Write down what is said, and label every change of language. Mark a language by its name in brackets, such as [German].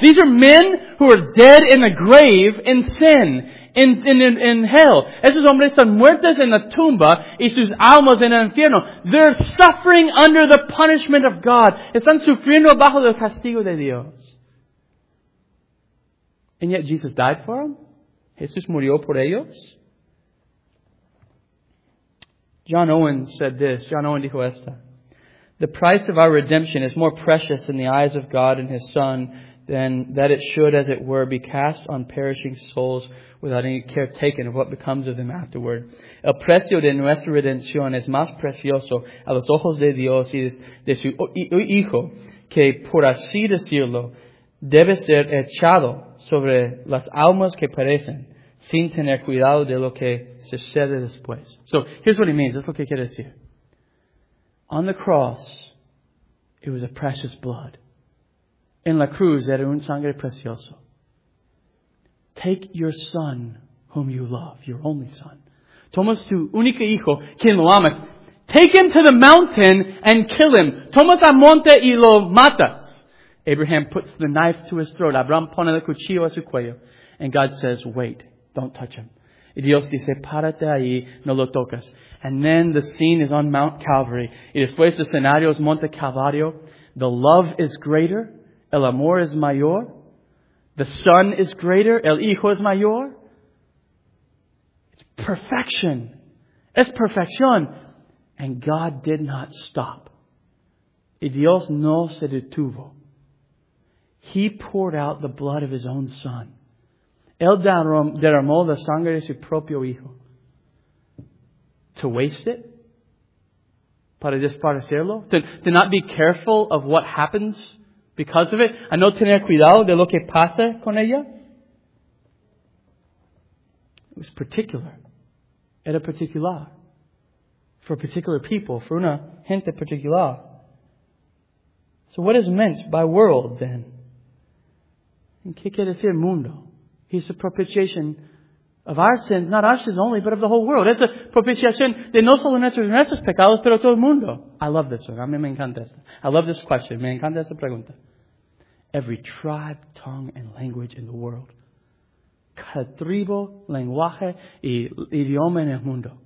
[English] These are men who are dead in the grave in sin, in hell. [Spanish] Esos hombres están muertos en la tumba y sus almas en el infierno. [English] They're suffering under the punishment of God. [Spanish] Están sufriendo bajo el castigo de Dios. [English] And yet Jesus died for them. [Spanish] Jesús murió por ellos. [English] John Owen said this. [Spanish] John Owen dijo esta. [English] The price of our redemption is more precious in the eyes of God and His Son than that it should, as it were, be cast on perishing souls without any care taken of what becomes of them afterward. [Spanish] El precio de nuestra redención es más precioso a los ojos de Dios y de su Hijo que, por así decirlo, debe ser echado sobre las almas que perecen sin tener cuidado de lo que sucede después. [English] So, here's what he means. [Spanish] That's lo que quiere decir. [English] On the cross, it was a precious blood. [Spanish] En la cruz, era un sangre precioso. [English] Take your son, whom you love, your only son. [Spanish] Toma tu único hijo, quien lo amas. [English] Take him to the mountain and kill him. [Spanish] Toma al monte y lo matas. [English] Abraham puts the knife to his throat. [Spanish] Abraham pone el cuchillo a su cuello. [English] And God says, wait, don't touch him. [Spanish] Y Dios dice, párate ahí, no lo toques. [English] And then the scene is on Mount Calvary. [Spanish] Y después el escenario es Monte Calvario. [English] The love is greater. [Spanish] El amor es mayor. [English] The son is greater. [Spanish] El hijo es mayor. [English] It's perfection. [Spanish] Es perfección. [English] And God did not stop. [Spanish] Y Dios no se detuvo. [English] He poured out the blood of his own son. [Spanish] Él derramó la sangre de su propio hijo. [English] To waste it? [Spanish] para desaparecerlo, [English] to not be careful of what happens because of it, [Spanish] a no tener cuidado de lo que pasa con ella. [English] It was particular. [Spanish] Era particular. [English] For particular people, for [Spanish] una gente particular. [English] So what is meant by world then? [Spanish] ¿Y qué quiere decir mundo? [English] He's the propitiation of our sins, not our sins only, but of the whole world. It's a propitiation [Spanish] de no solo nuestros pecados, pero todo el mundo. [English] I love this one. [Spanish] A mí me encanta esta. [English] I love this question. [Spanish] Me encanta esta pregunta. [English] Every tribe, tongue, and language in the world. [Spanish] Cada tribo, lenguaje y idioma en el mundo.